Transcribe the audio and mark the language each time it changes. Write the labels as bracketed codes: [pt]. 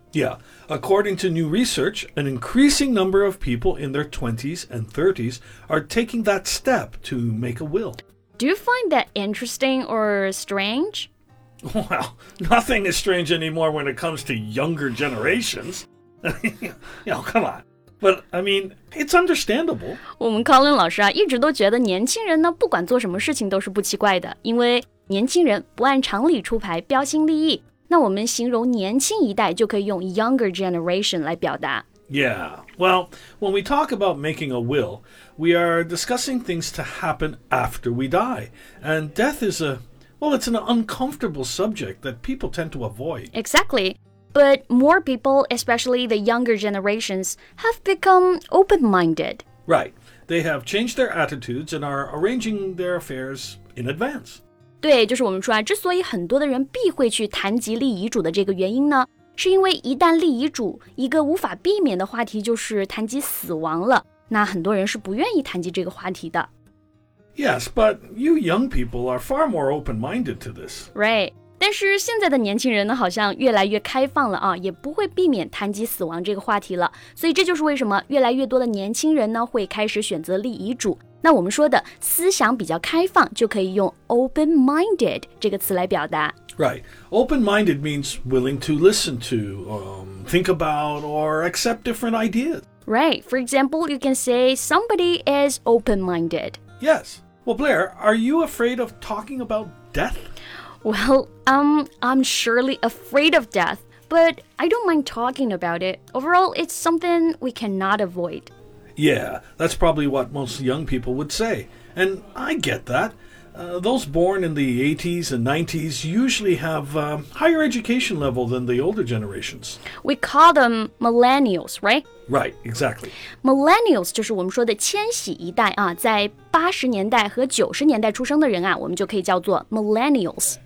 [en] Yeah, according to new research, an increasing number of people in their 20s and 30s are taking that step to make a will. Do you find that interesting or strange? Well, nothing is strange anymore when it comes to younger generations. You know, come on. But, I mean, it's understandable. [zh] 我们 Colin 老师啊，一直都觉得年轻人呢，不管做什么事情都是不奇怪的，因为年轻人不按常理出牌，标新立异。那我们形容年轻一代就可以用 [en] younger generation [zh] 来表达。 [en] Yeah, well, when we talk about making a will, we are discussing things to happen after we die. And death is it's an uncomfortable subject that people tend to avoid. Exactly. But more people, especially the younger generations, have become open-minded. Right. They have changed their attitudes and are arranging their affairs in advance. [zh] 对，就是我们说啊，之所以很多的人避讳去谈及立遗嘱的这个原因呢。是因为一旦立遗嘱，一个无法避免的话题就是谈及死亡了。那很多人是不愿意谈及这个话题的。 [en] Yes, but you young people are far more open-minded to this. Right. [zh] 但是现在的年轻人呢，好像越来越开放了啊，也不会避免谈及死亡这个话题了。所以这就是为什么越来越多的年轻人呢，会开始选择立遗嘱。那我们说的思想比较开放，就可以用 open-minded 这个词来表达。 Right. [en] Open-minded means willing to listen to, think about, or accept different ideas. Right. For example, you can say somebody is open-minded. Yes. Well, Blair, are you afraid of talking about death? Well, I'm surely afraid of death, but I don't mind talking about it. Overall, it's something we cannot avoid. Yeah, that's probably what most young people would say. And I get that. Those born in the 80s and 90s usually have a higher education level than the older generations. We call them millennials, right? Right, exactly. [zh] Millennials 就是我们说的千禧一代啊，在80年代和90年代出生的人啊，我们就可以叫做 millennials。